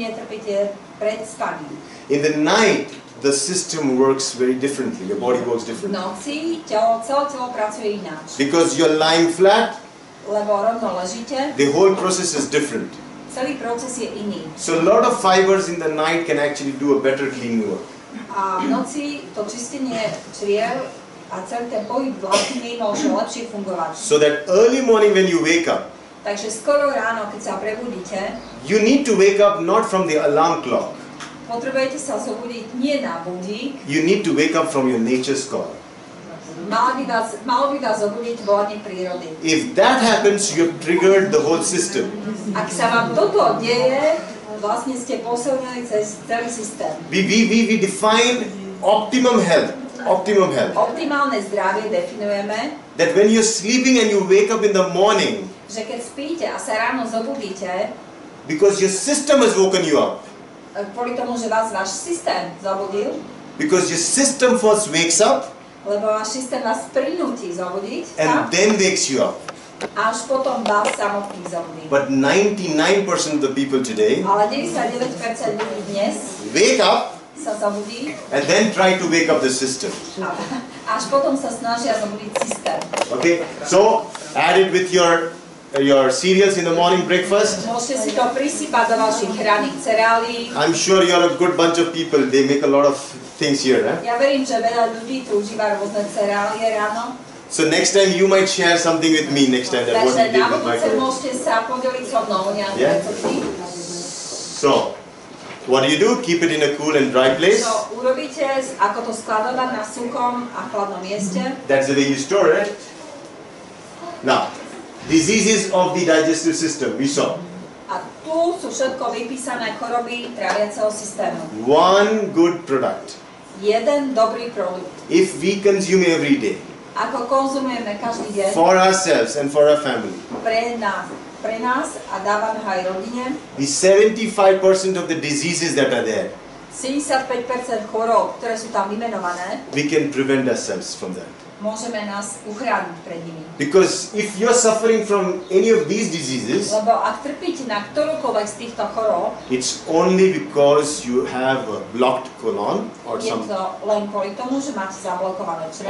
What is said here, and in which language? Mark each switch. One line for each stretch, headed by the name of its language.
English: In the night, the system works very differently, your body works differently. Because you're lying flat, the whole process is different. So a lot of fibers in the night can actually do a better cleaning work.
Slovak: A v noci to čistenie čriev a celý ten pohyb vlastne môže lepšie fungovať.
English: So that early morning when you wake up,
Slovak: takže skoro ráno, keď sa prebudíte,
English: you need to wake up not from the alarm clock.
Slovak: Potrebujete sa zobudiť nie na budík.
English: You need to wake up from your nature's call.
Slovak: Mal by vás zobudiť volanie prírody.
English: If that happens, you've triggered the whole system.
Slovak: Ak sa vám toto deje, vlastne ste posilnili celý systém.
English: We define optimum health.
Slovak: Optimálne zdravie definujeme.
English: That when you're sleeping and you wake up in the morning.
Slovak: Že keď spíte a sa ráno zobudíte.
English: Because your system has woken you up.
Slovak: Kvôli tomu, že vás váš systém zobudil.
English: Because your system first wakes up.
Slovak: Lebo váš systém vás prinúti zobudiť.
English: And then wakes you up.
Slovak: Až potom vás samotný zobudí.
English: But 99% of the people today,
Slovak: ale 99% ľudí dnes,
English: wake up,
Slovak: sa zobudí,
English: and then try to wake up the system.
Slovak: Až potom sa snažia zobudiť systém.
English: Okay, so add it with your cereals in the morning breakfast.
Slovak: Môžete si to prisypať do vašich ranných cereálií.
English: I'm sure you're a good bunch of people. They make a lot of things here, right?
Slovak: Ja verím, že veľa ľudí tu užíva rôzne cereálie ráno.
English: So next time you might share something with me next time that what you did with microwave. So what do you do? Keep it in a cool and dry place.
Slovak: So urobíte, ako to skladovať na suchom a chladnom mieste.
English: That's the way you store it. Now, diseases of the digestive system, we saw.
Slovak: A tu sú všetko vypísané choroby tráviaceho systému.
English: One good product.
Slovak: Jeden dobrý produkt.
English: If we consume every day.
Slovak: Ako konzumujeme každý deň.
English: For ourselves and for our family.
Slovak: Pre nás a dávame aj rodine.
English: The 75% of the diseases that are there.
Slovak: 75% chorób, ktoré sú tam vymenované.
English: We can prevent ourselves from that.
Slovak: Môžeme nás uchrániť pred nimi.
English: Because if you're suffering from any of these diseases,
Slovak: lebo ak trpíte na ktorúkoľvek z týchto chorób,
English: it's only because you have a blocked colon or something.
Slovak: Je to len kvôli tomu, že máte zablokované črevo.